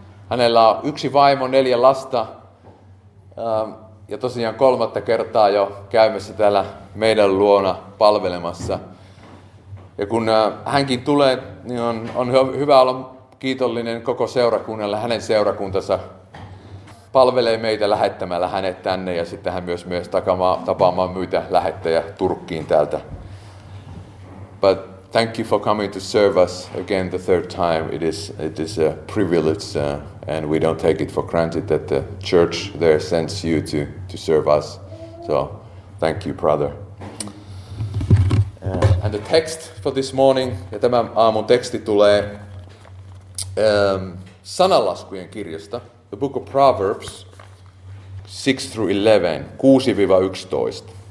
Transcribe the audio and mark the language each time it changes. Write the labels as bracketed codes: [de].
[fi] Hänellä on 1 vaimo, 4 lasta ja tosiaan 3. kertaa jo käymässä täällä meidän luona palvelemassa. Ja kun hänkin tulee, niin on hyvä olla kiitollinen koko seurakunnalle. Hänen seurakuntansa palvelee meitä lähettämällä hänet tänne ja sitten hän myös tapaamaan myitä lähettäjä Turkkiin täältä. [en] But thank you for coming to serve us again the third time. It is a privilege, and we don't take it for granted that the church there sends you to serve us. So, thank you, brother. And the text for this morning, [fi] ja tämän aamun teksti tulee sananlaskujen kirjasta, [en] the book of Proverbs 6-11, 6-11.